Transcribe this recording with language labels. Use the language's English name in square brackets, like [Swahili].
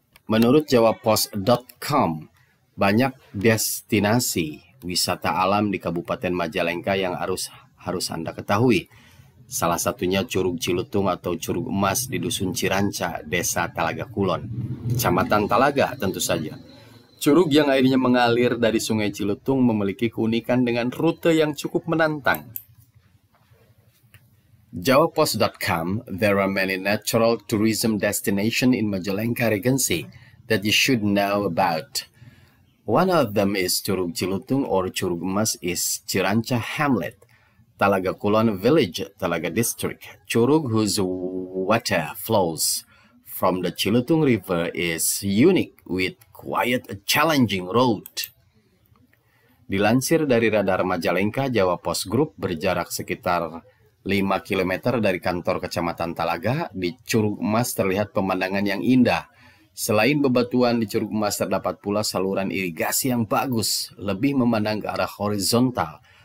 [Indonesian] Menurut jawapos.com, banyak destinasi wisata alam di Kabupaten Majalengka yang harus Anda ketahui. Salah satunya Curug Cilutung atau Curug Emas di Dusun Ciranca, Desa Talaga Kulon, Kecamatan Talaga tentu saja. Curug yang airnya mengalir dari Sungai Cilutung memiliki keunikan dengan rute yang cukup menantang. [English] Jawapos.com, there are many natural tourism destinations in Majalengka Regency that you should know about. One of them is Curug Cilutung or Curug Emas is Ciranca Hamlet. Talaga Kulon Village, Talaga District, Curug whose water flows from the Cilutung River is unique with quite a challenging road. [Indonesian] Dilansir dari radar Majalengka, Jawa Pos Group berjarak sekitar 5 km dari kantor Kecamatan Talaga, di Curug Emas terlihat pemandangan yang indah. Selain bebatuan, di Curug Emas terdapat pula saluran irigasi yang bagus, lebih memandang ke arah horizontal.